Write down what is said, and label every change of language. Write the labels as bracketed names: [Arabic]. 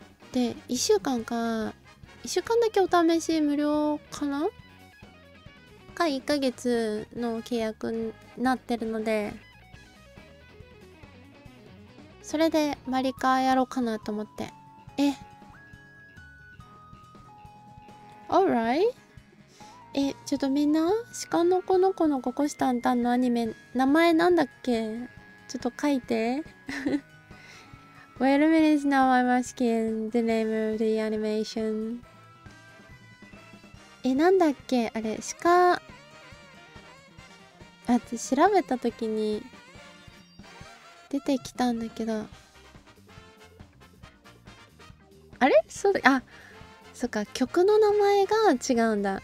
[Japanese] で1週間か1週間だけお試し無料かなか1ヶ月の契約になってるので、それでマリカーやろうかなと思って。 [English] えAlright? [Japanese] え、ちょっとみんな、鹿の子の子のココシタンタンのアニメ、名前なんだっけ？ちょっと書いて。 [English] Wait a minute, now I'm asking the name of the animation. [Japanese] え、なんだっけ？あれ、鹿。あ、調べたときに出てきたんだけど。あれ？そうだ、あ、そっか、曲の名前が違うんだ。